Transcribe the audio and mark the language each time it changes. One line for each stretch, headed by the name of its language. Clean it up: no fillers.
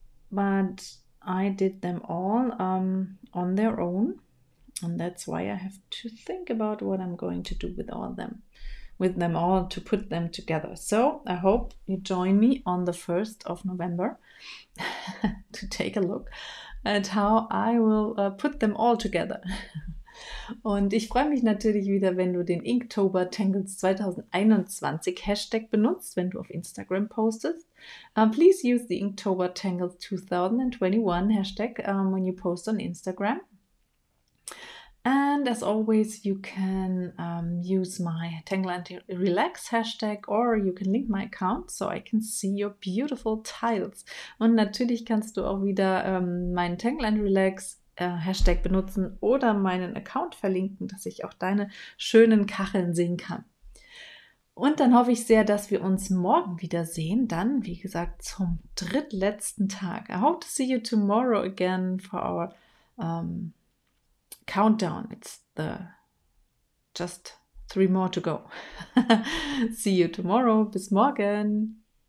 English: But I did them all on their own, and that's why I have to think about what I'm going to do with all them. With them all to put them together. So I hope you join me on the 1st of November to take a look at how I will put them all together.
German: Und ich freue mich natürlich wieder, wenn du den Inktober Tangles 2021 Hashtag benutzt, wenn du auf Instagram postest.
English: Please use the Inktober Tangles 2021 Hashtag when you post on Instagram. And as always, you can use my Tangle and Relax Hashtag or you can link my account so I can see your beautiful tiles.
German: Und natürlich kannst du auch wieder meinen Tangle and Relax Hashtag benutzen oder meinen Account verlinken, dass ich auch deine schönen Kacheln sehen kann. Und dann hoffe ich sehr, dass wir uns morgen wiedersehen, dann, wie gesagt, zum drittletzten Tag.
English: I hope to see you tomorrow again for our Countdown, it's the just 3 more to go. See you tomorrow.
German: Bis morgen.